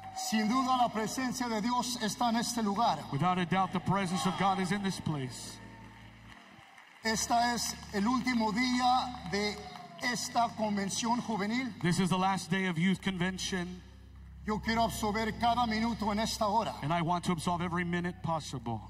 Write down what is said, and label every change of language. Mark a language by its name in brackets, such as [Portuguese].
[Spanish] Sin duda, la presencia de Dios está en este lugar. [English] Without a doubt, the presence of God is in this place. [Spanish] Esta es el último día de esta convención juvenil. [English] This is the last day of youth convention. [Spanish] Yo quiero absorber cada minuto en esta hora. [English] And I want to absorb every minute possible.